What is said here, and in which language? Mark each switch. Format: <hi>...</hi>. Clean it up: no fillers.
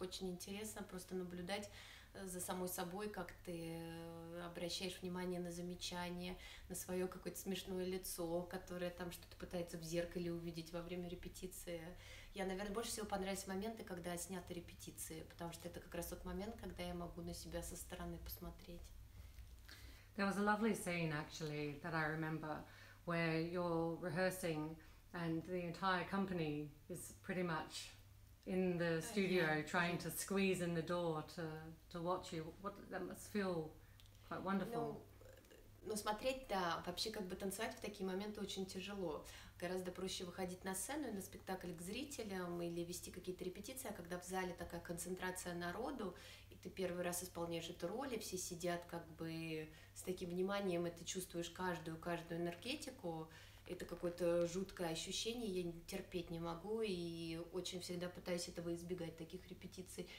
<ru>Очень интересно просто наблюдать за самой собой, как ты обращаешь внимание на замечания, на свое какое-то смешное лицо, которое там что-то пытается в зеркале увидеть во время репетиции. Я, наверное, больше всего понравились моменты, когда сняты репетиции, потому что это как раз тот момент, когда я могу на себя со стороны посмотреть.</ru> <en>There was a lovely scene, actually, that I remember where you're rehearsing and the entire company is pretty much in the studio trying to squeeze in the door to watch you. What, that must feel quite wonderful.</en> <ru>Ну, смотреть, да, вообще как бы танцевать в такие моменты очень тяжело. Гораздо проще выходить на сцену и на спектакль к зрителям или вести какие-то репетиции, а когда в зале такая концентрация народу, и ты первый раз исполняешь эту роль, и все сидят как бы с таким вниманием, и ты чувствуешь каждую энергетику, это какое-то жуткое ощущение, я терпеть не могу, и очень всегда пытаюсь этого избегать, таких репетиций.</ru>